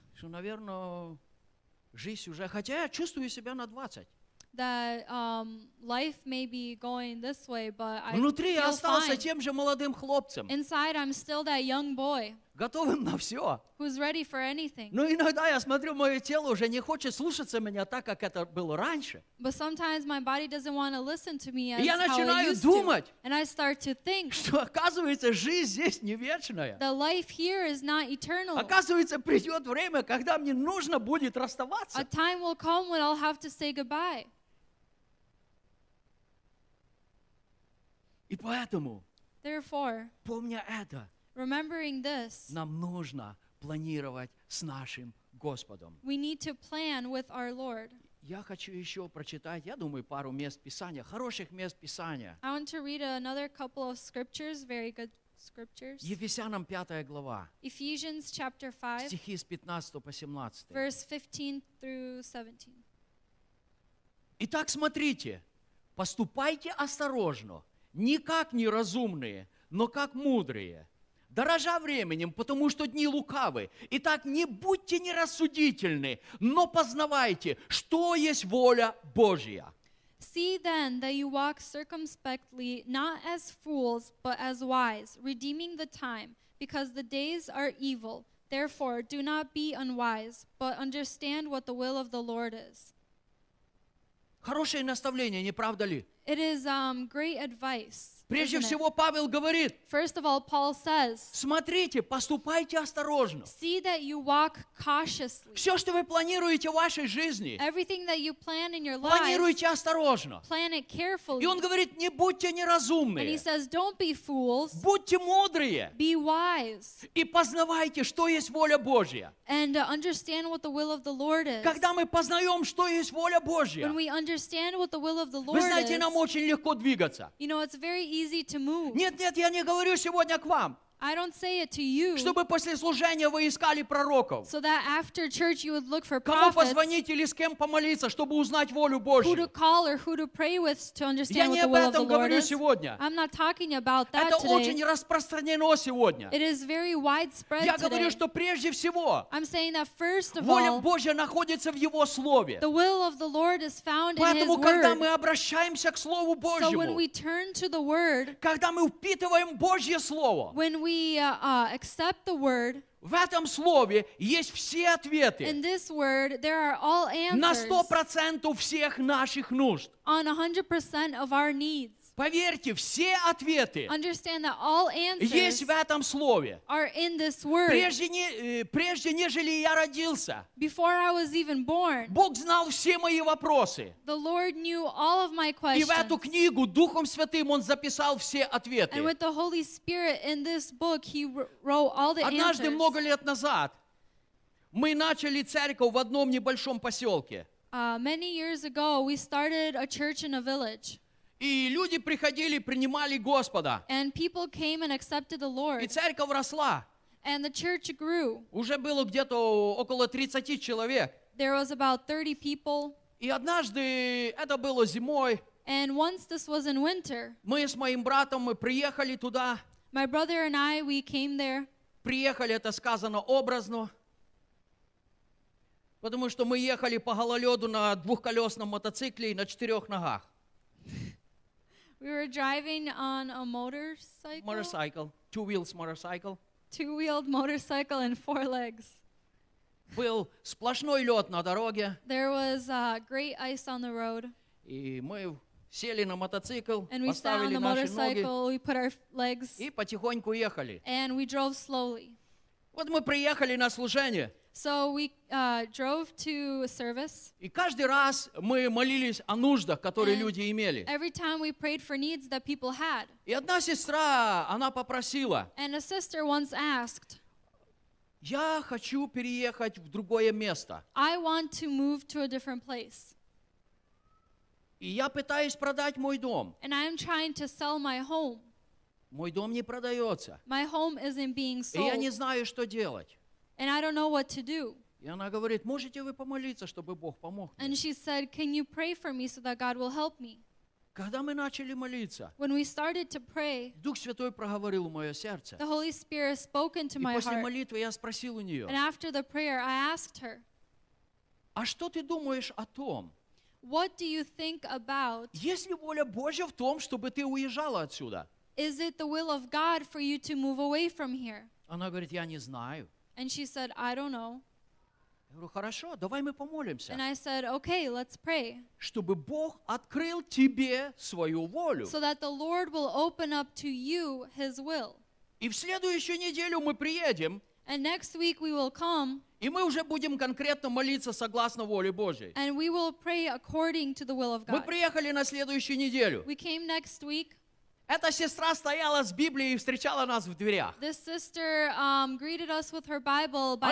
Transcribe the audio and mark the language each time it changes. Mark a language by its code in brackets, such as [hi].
[ru] что, наверное, жизнь уже, хотя я чувствую себя на 20. [en] That life may be going this way, but I [ru] внутри [en] feel [ru] я остался [en] fine. [ru] Тем же молодым хлопцем. [en] Inside, I'm still that young boy. [ru] Готовым на все. [en] Who's ready for anything. [ru] Но иногда я смотрю, мое тело уже не хочет слушаться меня так, как это было раньше. [en] But sometimes my body doesn't want to listen to me as [ru] я начинаю [en] how it used [ru] думать, [en] to. And I start to think, [ru] что оказывается, жизнь здесь не вечная. [en] That life here is not eternal. [ru] Оказывается, придет время, когда мне нужно будет расставаться. [en] A time will come when I'll have to say goodbye. [ru] И поэтому, [en] therefore, [ru] помня это, [en] remembering this, [ru] нам нужно планировать с нашим Господом. [en] We need to plan with our Lord. [ru] Я хочу еще прочитать, я думаю, пару мест Писания, хороших мест Писания. [en] I want to read another couple of scriptures, very good scriptures. [ru] Ефесянам 5 глава. [en] Ephesians chapter 5. [ru] Стихи с 15 по 17. [en] Verse 15 through 17. [ru] Итак, смотрите, поступайте осторожно, не как неразумные, но как мудрые. Дорожа временем, потому что дни лукавы. Итак, не будьте нерассудительны, но познавайте, что есть воля Божья. [en] See then that you walk circumspectly, not as fools, but as wise, redeeming the time, because the days are evil. Therefore, do not be unwise, but understand what the will of the Lord is. [ru] Хорошее наставление, не правда ли? [en] It is great advice. [ru] Прежде всего, Павел говорит, [en] first of all, Paul says, [ru] смотрите, поступайте осторожно. [en] See that you walk cautiously. [ru] Все, что вы планируете в вашей жизни, [en] everything that you plan in your life, [ru] планируйте осторожно. [en] Plan it carefully. [ru] И он говорит, не будьте неразумны. [en] And he says, don't be fools. [ru] Будьте мудрые. [en] Be wise. [ru] И познавайте, что есть воля Божья. [en] And understand what the will of the Lord is. [ru] Когда мы познаем, что есть воля Божья, [en] when we understand what the will of the Lord is, [ru] вы знаете, [en] is, [ru] нам очень легко двигаться. [en] You know, it's very easy to move. [ru] Нет, нет, я не говорю сегодня к вам. [en] I don't say it to you. [ru] Чтобы после служения вы искали пророков. [en] So that after church you would look for prophets. [ru] Кому позвонить или с кем помолиться, чтобы узнать волю Божью. [en] Who to call or who to pray with to understand what the will of the Lord is. [ru] Я не об этом говорю сегодня. [en] I'm not talking about that today. [ru] Это очень распространено сегодня. [en] It is very widespread today. [ru] Я говорю, что прежде всего, [en] I'm saying that first of all, [ru] воля Божья находится в Его Слове. [en] The will of the Lord is found in His Word. [ru] Поэтому, когда мы обращаемся к Слову Божьему, [en] so when we turn to the Word, [ru] когда мы впитываем Божье Слово, [en] when we accept the word, [ru] в этом слове есть все ответы. [en] In this word, there are all answers. [ru] На 100% всех наших нужд. [en] On 100% of our needs. [ru] Поверьте, все ответы, [en] understand that all answers, [ru] есть в этом слове. [en] Are in this word. [ru] Прежде нежели я родился, [en] before I was even born, [ru] Бог знал все мои вопросы. [en] The Lord knew all of my questions. [ru] И в эту книгу Духом Святым Он записал все ответы. [en] And with the Holy Spirit in this book, He wrote all the [ru] однажды, [en] answers. [ru] Много лет назад, мы начали церковь в одном небольшом поселке. [en] Many years ago, we started a church in a village. [ru] И люди приходили, принимали Господа. [en] And people came and accepted the Lord. [ru] И церковь росла. [en] And the church grew. [ru] Уже было где-то около 30 человек. [en] There was about 30 people. [ru] И однажды это было зимой. [en] And once this was in winter. [ru] Мы с моим братом мы приехали туда. [en] My brother and I, we came there. [ru] Приехали, это сказано образно. Потому что мы ехали по гололеду на двухколесном мотоцикле и на четырех ногах. [en] We were driving on a motorcycle. Motorcycle, two wheels motorcycle. Two-wheeled motorcycle and four legs. [ru] Был сплошной лед на дороге. [en] There was great ice on the road. [ru] И мы сели на мотоцикл, [en] and we [ru] поставили [en] sat on the motorcycle, [ru] ноги, [en] we put our legs, [ru] и потихоньку ехали. [en] And we drove slowly. [ru] Вот мы приехали на служение. [en] So we drove to a service. [ru] И каждый раз мы молились о нуждах, которые люди имели. [en] Every time we prayed for needs that people had. [ru] И одна сестра, она попросила. [en] And a sister once asked. [ru] Я хочу переехать в другое место. [en] I want to move to a different place. [ru] И я пытаюсь продать мой дом. [en] And I'm trying to sell my home. [ru] Мой дом не продается. [en] My home isn't being sold. [ru] И я не знаю, что делать. [en] And I don't know what to do. [ru] И она говорит, можете вы помолиться, чтобы Бог помог мне? [en] And she said, can you pray for me so that God will help me? [ru] Когда мы начали молиться, [en] when we started to pray, [ru] Дух Святой проговорил в мое сердце. [en] The Holy Spirit spoke into my heart. [ru] И после молитвы я спросил у нее. [en] And after the prayer, I asked her. [ru] А что ты думаешь о том? [en] What do you think about? [ru] Есть ли воля Божья в том, чтобы ты уезжала отсюда? [en] Is it the will of God for you to move away from here? [ru] Она говорит, я не знаю. [en] And she said, I don't know. [ru] Я говорю, хорошо, давай мы помолимся. [en] And I said, okay, let's pray. [ru] Чтобы Бог открыл тебе свою волю. [en] So that the Lord will open up to you His will. [ru] И в следующую неделю мы приедем. [en] And next week we will come. [ru] И мы уже будем конкретно молиться согласно воле Божьей. [en] And we will pray according to the will of God. [ru] Мы приехали на следующую неделю. [en] We came next week. [ru] Эта сестра стояла с Библией и встречала нас в дверях. [en] This sister, greeted us with her Bible by